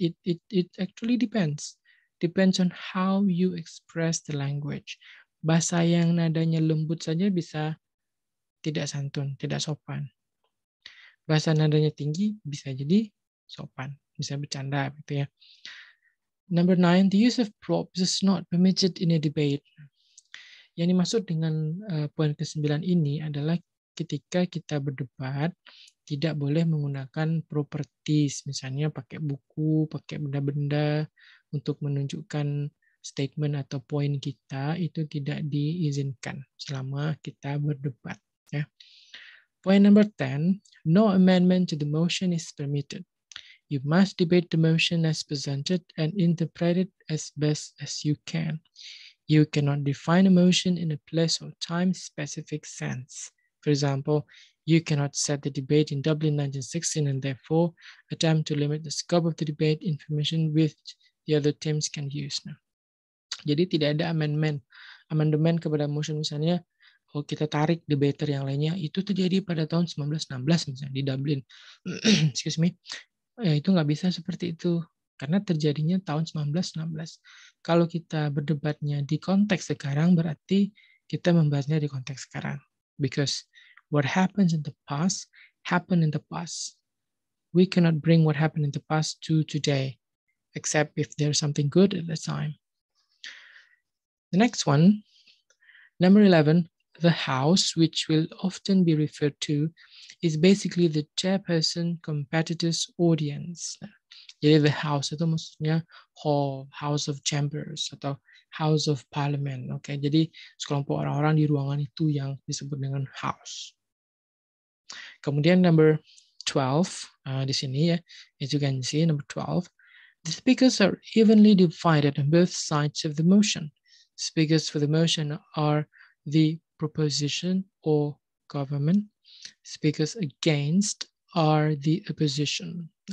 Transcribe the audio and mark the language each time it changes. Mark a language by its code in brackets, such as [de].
[en] It actually depends. Depends on how you express the language. [id] Bahasa yang nadanya lembut saja bisa tidak santun, tidak sopan. Bahasa nadanya tinggi bisa jadi sopan, bisa bercanda gitu ya. [en] Number nine, the use of props is not permitted in a debate. [id] Yang dimaksud dengan poin ke-9 ini adalah ketika kita berdebat, tidak boleh menggunakan properties, misalnya pakai buku, pakai benda-benda untuk menunjukkan statement atau poin kita, itu tidak diizinkan selama kita berdebat. Ya. [en] Point number 10, no amendment to the motion is permitted. You must debate the motion as presented and interpret it as best as you can. You cannot define a motion in a place or time specific sense. For example, you cannot set the debate in Dublin 1916 and therefore attempt to limit the scope of the debate information which the other teams can use. [id] Now, jadi tidak ada amandemen kepada motion misalnya, oh kita tarik debater yang lainnya, itu terjadi pada tahun 1916 misalnya di Dublin. [en] Excuse me. [id] Ya, itu nggak bisa seperti itu karena terjadinya tahun 1916. Kalau kita berdebatnya di konteks sekarang, berarti kita membahasnya di konteks sekarang. [en] Because what happens in the past [id] happened in the past. [en] we cannot bring what happened in the past to today, except if there's something good at the time. The next one, number 11, the house, which will often be referred to, is basically the chairperson competitor's audience. [id] Jadi the house itu maksudnya hall, house of chambers, atau house of parliament. Okay? Jadi sekelompok orang-orang di ruangan itu yang disebut dengan house. Kemudian [en] number 12, [id] di sini ya, [en] as you can see, number 12, the speakers are evenly divided on both sides of the motion. Speakers for the motion are the proposition or government. Speakers against are the opposition.